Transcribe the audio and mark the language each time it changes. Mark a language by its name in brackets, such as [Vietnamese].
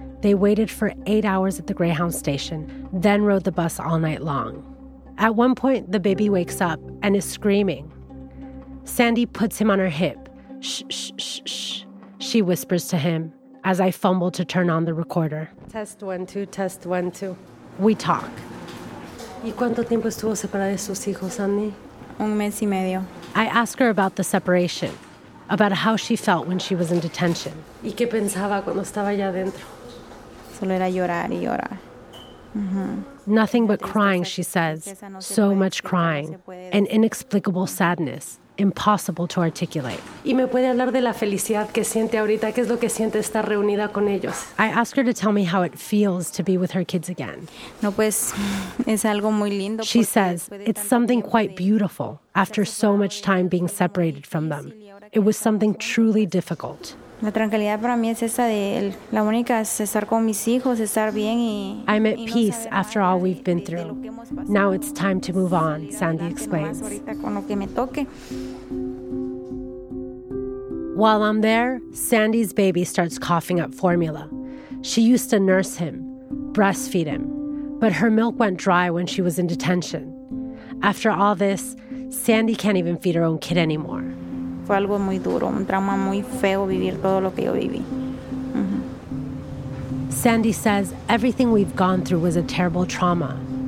[English] They waited for 8 hours at the Greyhound station, then rode the bus all night long. At one point, the baby wakes up and is screaming. Sandy puts him on her hip. Shh, shh, shh, shh, she whispers to him as I fumble to turn on the recorder. Test 1, 2, test 1, 2. We talk. [Spanish] ¿Y cuánto tiempo estuvo separada de sus hijos, Sandy? Un mes y medio. [English] I ask her about the separation, about how she felt when she was in detention. [Spanish] ¿Y qué pensaba cuando estaba allá adentro? Solo era llorar y llorar. [English] Nothing but crying, she says. So much crying. An inexplicable sadness. Impossible to articulate. [Spanish] ¿Y me puede hablar de la felicidad que siente ahorita? ¿Qué es lo que siente estar reunida con ellos? [English] I ask her to tell me how it feels to be with her kids again. [Spanish] No, pues, es algo muy lindo. [English] She says, it's something quite beautiful after so much time being separated from them. It was something truly difficult. [Spanish] La tranquilidad para mí es esa de él. La única es estar con mis hijos, estar bien y... [English] I'm at peace after all we've been through. Now it's time to move on, Sandy explains. While I'm there, Sandy's baby starts coughing up formula. She used to nurse him, breastfeed him, but her milk went dry when she was in detention. After all this, Sandy can't even feed her own kid anymore. [Spanish] Fue algo muy duro, un trauma muy feo vivir todo lo que yo viví. [English] Sandy says everything we've gone through was a terrible trauma.